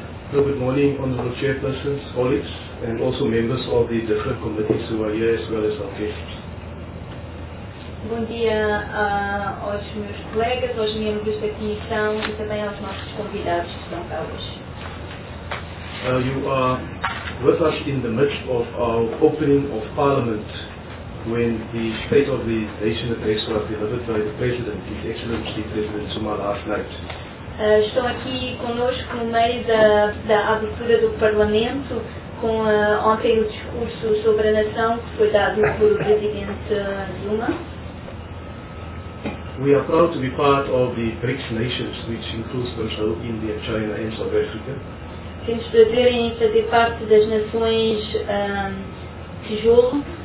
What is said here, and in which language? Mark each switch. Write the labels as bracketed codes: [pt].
[en] So good morning, Honourable Chairpersons, colleagues, and also members of the different committees who are here as well as our guests. [pt] Bom dia aos meus colegas, aos membros da comissão e também aos nossos convidados que estão cá hoje. [en] You are with us in the midst of our opening of Parliament when the State of the Nation address was delivered by the President, His Excellency President Zuma, last night. [pt] Estão aqui connosco no meio da abertura do Parlamento com ontem o discurso sobre a nação que foi dado pelo Presidente Zuma. [en] We are proud to be part of the BRICS nations, which includes Brazil, India, China and South Africa. [pt] Temos prazer em fazer parte das nações tijolo,